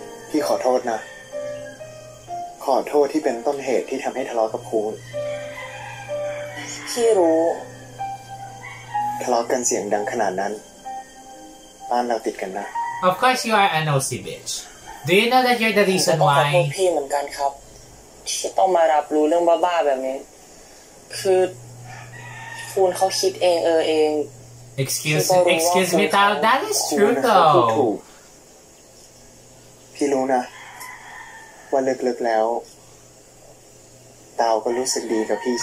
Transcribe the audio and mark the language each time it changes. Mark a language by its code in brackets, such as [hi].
[th] พี่ขอโทษนะขอโทษที่เป็นต้นเหตุที่ทำให้ทะเลาะกับครู พี่รู้ทะเลาะกันเสียงดังขนาดนั้นบ้านเราติดกันนะ [en] Of course you are NOC bitch Do you know that you're the reason why [th] ผมขอโทษพี่เหมือนกันครับที่ต้องมารับรู้เรื่องบ้าๆแบบนี้คือคุณเขาคิดเองเอง [en] Excuse me, that is true though. [th] พี่รู้นะว่าลึกๆแล้วตาวก็รู้สึกดีกับพี่ใช